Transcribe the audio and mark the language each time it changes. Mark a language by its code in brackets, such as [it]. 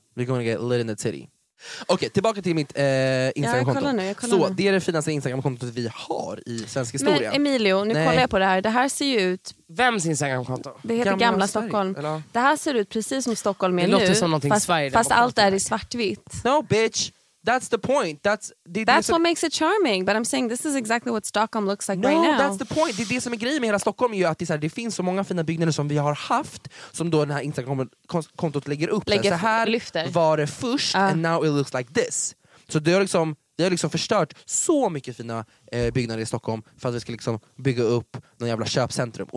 [en] We're gonna get lit in the city. [sv] Okej, tillbaka till mitt Instagramkonto. Ja, så det är det finaste Instagramkontot vi har i svensk historia. Men Emilio, nu kollar jag på det här. Det här ser ju ut... Vems Instagramkonto? Det heter Gamla Stockholm. Eller? Det här ser ut precis som Stockholm är det nu. Det låter som någonting Sverige. Fast allt är i svartvitt. [en] No, bitch. That's the point. That's what makes it charming. But I'm saying this is exactly what Stockholm looks like right now. No, that's the point. [sv] Det som är grejen med hela Stockholm är ju att det finns så många fina byggnader som vi har haft, som då den här Instagram-kontot lägger upp. Så här var det först, [en] and now it looks like this. [sv] Så det har liksom, vi har liksom förstört så mycket fina byggnader i Stockholm för att vi ska liksom bygga upp någon jävla köpcentrum.